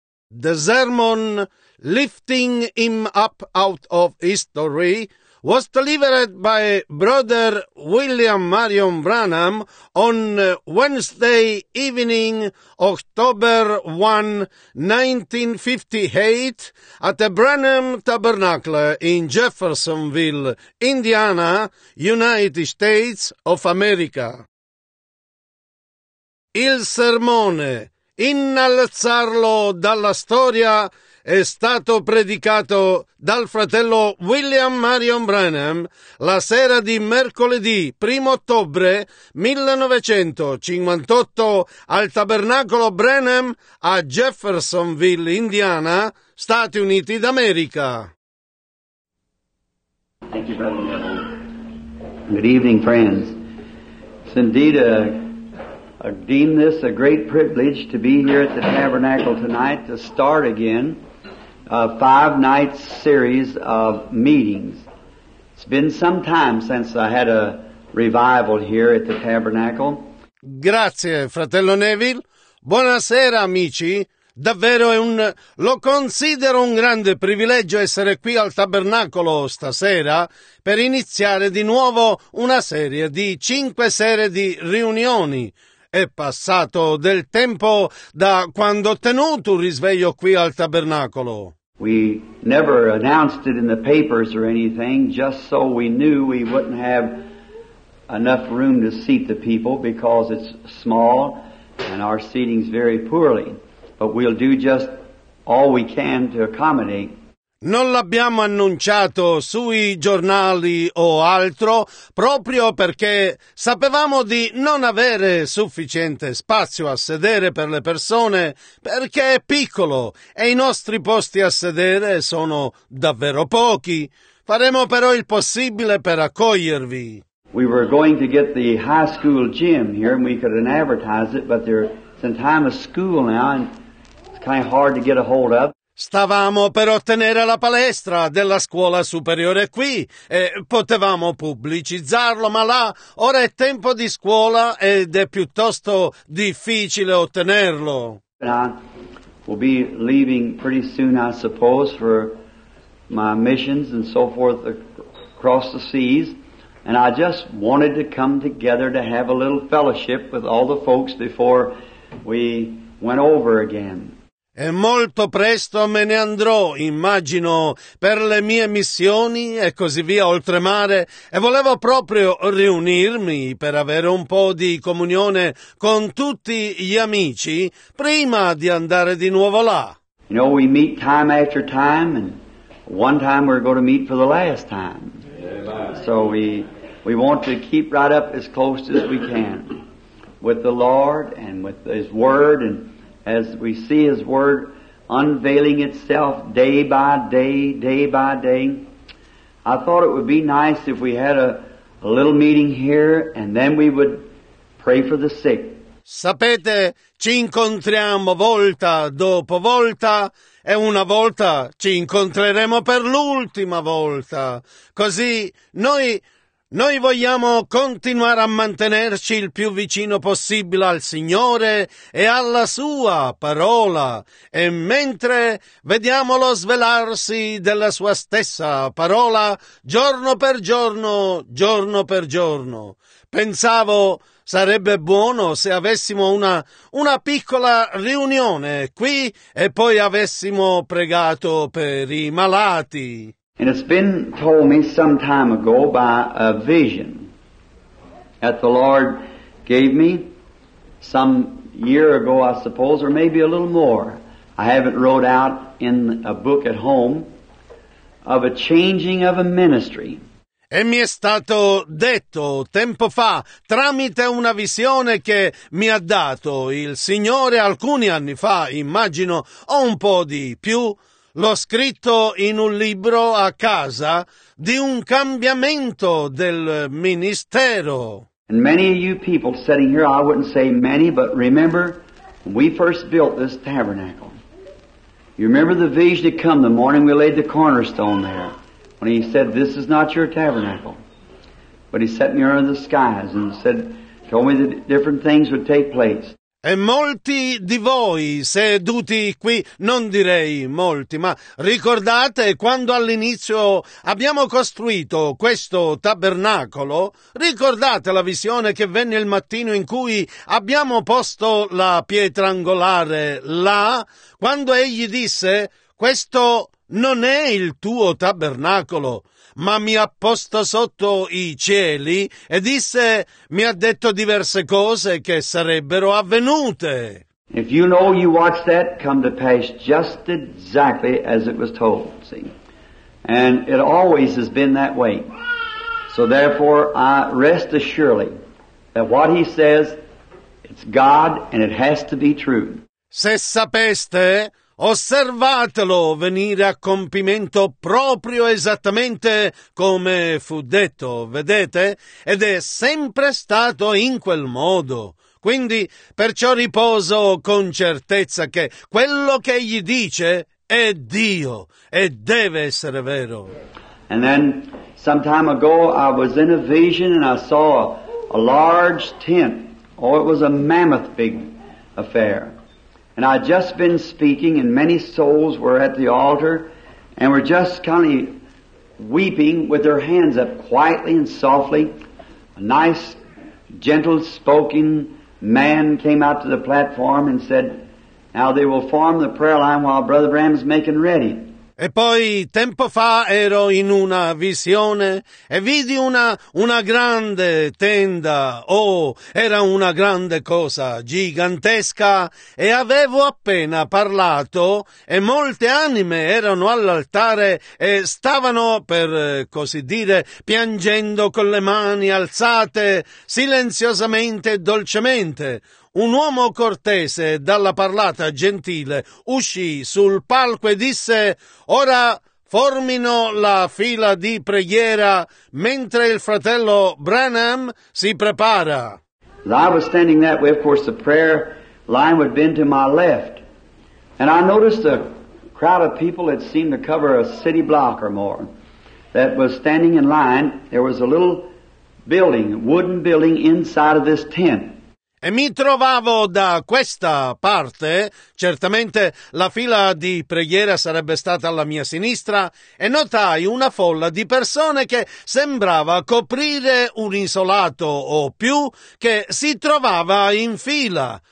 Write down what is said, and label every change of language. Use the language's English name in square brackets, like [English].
[English] the sermon Lifting Him Up Out of History was delivered by Brother William Marion Branham on Wednesday evening, October 1, 1958, at the Branham Tabernacle in Jeffersonville, Indiana, United States of America. [Italian] Il sermone, innalzarlo dalla storia, è stato predicato dal fratello William Marion Branham la sera di mercoledì 1 ottobre 1958 al Tabernacolo Branham a Jeffersonville, Indiana, Stati Uniti d'America. [English] Thank you, Brother Neville. Good evening, friends. It's indeed a deem this a great privilege to be here at the Tabernacle tonight to start again a five-night series of meetings. It's been some time since I had a revival here at the Tabernacle. [Italian] Grazie, fratello Neville. Buonasera, amici. Davvero lo considero un grande privilegio essere qui al Tabernacolo stasera per iniziare di nuovo una serie di cinque sere di riunioni. È passato del tempo da quando ho tenuto un risveglio qui al Tabernacolo. [English] We never announced it in the papers or anything, just so we knew we wouldn't have enough room to seat the people because it's small and our seating's very poorly. But we'll do just all we can to accommodate. [Italian] Non l'abbiamo annunciato sui giornali o altro proprio perché sapevamo di non avere sufficiente spazio a sedere per le persone perché è piccolo e i nostri posti a sedere sono davvero pochi. Faremo però il possibile per accogliervi. [English] We were going to get the high school gym here and we could advertise it, but there's in time of school now and it's kind of hard to get a hold of. [Italian] Stavamo per ottenere la palestra della scuola superiore qui e potevamo pubblicizzarlo, ma là ora è tempo di scuola ed è piuttosto difficile ottenerlo. [English] We'll be leaving pretty soon, I suppose, for my missions and so forth across the seas, and I just wanted to come together to have a little fellowship with all the folks before we went over again. [Italian] E molto presto me ne andrò, immagino, per le mie missioni e così via oltremare, e volevo proprio riunirmi per avere un po' di comunione con tutti gli amici prima di andare di nuovo là. [English] You know, we meet time after time, and one time we're going to meet for the last time. So we want to keep right up as close as we can with the Lord and with His Word and as we see His Word unveiling itself day by day, day by day. I thought it would be nice if we had a little meeting here and then we would pray for the sick. [Italian] Sapete, ci incontriamo volta dopo volta e una volta ci incontreremo per l'ultima volta. Così noi vogliamo continuare a mantenerci il più vicino possibile al Signore e alla Sua parola, e mentre vediamolo svelarsi della Sua stessa parola, giorno per giorno, giorno per giorno. Pensavo sarebbe buono se avessimo una piccola riunione qui e poi avessimo pregato per i malati. [English] And it's been told me some time ago by a vision that the Lord gave me some year ago, I suppose, or maybe a little more. I have it wrote out in a book at home of a changing of a ministry. [Italian] E mi è stato detto tempo fa, tramite una visione che mi ha dato il Signore alcuni anni fa, immagino, o un po' di più. L'ho scritto in un libro a casa di un cambiamento del ministero. [English] And many of you people sitting here, I wouldn't say many, but remember when we first built this tabernacle. You remember the vision that come the morning we laid the cornerstone there, when he said, "This is not your tabernacle." But he set me under the skies and said, told me that different things would take place. [Italian] E molti di voi seduti qui, non direi molti, ma ricordate quando all'inizio abbiamo costruito questo tabernacolo? Ricordate la visione che venne il mattino in cui abbiamo posto la pietra angolare là? Quando egli disse: questo non è il tuo tabernacolo, ma mi ha posto sotto i cieli e disse, mi ha detto diverse cose che sarebbero avvenute. [English] If you know you watched that come to pass just exactly as it was told, see. And it always has been that way. So therefore I rest assuredly that what he says, it's God and it has to be true. [Italian] Se sapeste, osservatelo venire a compimento proprio esattamente come fu detto, vedete? Ed è sempre stato in quel modo. Quindi, perciò riposo con certezza che quello che egli dice è Dio e deve essere vero. [English] And then, some time ago, I was in a vision and I saw a large tent. Oh, it was a mammoth big affair. And I'd just been speaking, and many souls were at the altar and were just kind of weeping with their hands up quietly and softly. A nice, gentle-spoken man came out to the platform and said, now they will form the prayer line while Brother Branham's making ready. [Italian] E poi, tempo fa, ero in una visione e vidi una grande tenda, oh, era una grande cosa, gigantesca, e avevo appena parlato e molte anime erano all'altare e stavano, per così dire, piangendo con le mani alzate, silenziosamente e dolcemente. Un uomo cortese, dalla parlata gentile, uscì sul palco e disse: ora formino la fila di preghiera mentre il fratello Branham si prepara. [English] As I was standing that way, of course, the prayer line would bend to my left. And I noticed a crowd of people that seemed to cover a city block or more that was standing in line. There was a little building, wooden building, inside of this tent. [Italian] E mi trovavo da questa parte, certamente la fila di preghiera sarebbe stata alla mia sinistra, e notai una folla di persone che sembrava coprire un isolato o più che si trovava in fila.